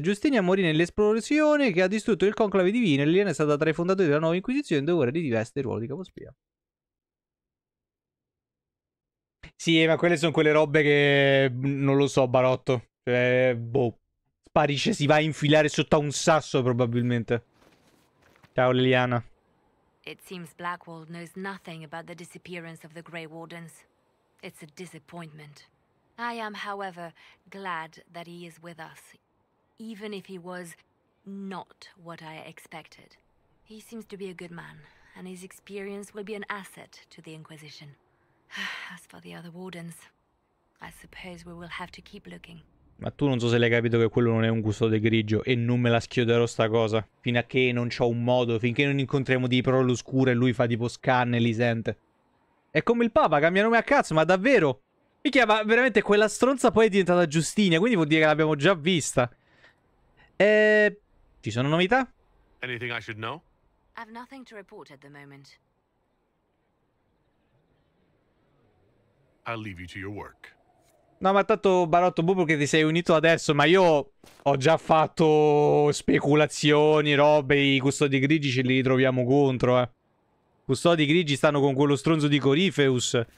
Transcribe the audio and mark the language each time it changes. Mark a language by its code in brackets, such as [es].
[it] Giustinia morì nell'esplorazione che ha distrutto il conclave divino e Liliana è stata tra i fondatori della nuova Inquisizione dove ora riveste il ruolo di capospia. Sì, ma quelle sono quelle robe che... Non lo so, Barotto. Sparisce, si va a infilare sotto a un sasso, probabilmente. Ciao, Liliana. [en] It seems Blackwald knows nothing about the disappearance of the Grey Wardens. It's a disappointment. I am, however, glad that he is with us. Even if he was not what I expected. He seems to be a good man, and his experience will be an asset to the Inquisition. As for the other wardens, I suppose we will have to keep looking. [it] Ma tu non so se l'hai capito che quello non è un custode grigio e non me la schioderò sta cosa. Fino a che non c'ho un modo, finché non incontriamo di parole oscure e lui fa tipo scanne, li sente. È come il Papa, cambia nome a cazzo, ma davvero? Mi chiama veramente quella stronza poi è diventata Giustinia, quindi vuol dire che l'abbiamo già vista. Ci sono novità? [en] Anything I should know? I have nothing to report at the moment. I'll leave you to your work. [it] No, ma tanto Barotto, boh, perché ti sei unito adesso, ma io ho già fatto speculazioni, robe, i custodi grigi ce li ritroviamo contro, eh. Custodi grigi stanno con quello stronzo di Corypheus.